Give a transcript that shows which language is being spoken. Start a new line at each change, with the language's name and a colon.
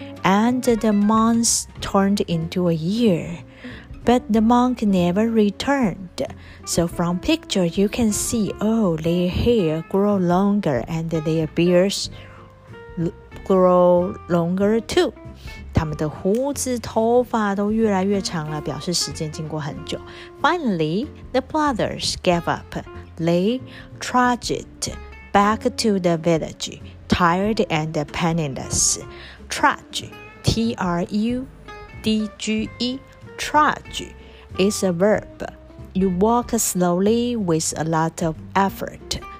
English: And the months turned into a year. But the monk never returned. So from picture you can see, oh, their hair grow longer and their beards grow longer too.
Chinese: 他们的胡子头发都越来越长了，表示时间经过很久。
English: Finally, the brothers gave up. They trudged back to the village, tired and penniless. Trudge, T-R-U-D-G-E, trudge is a verb. You walk slowly with a lot of effort.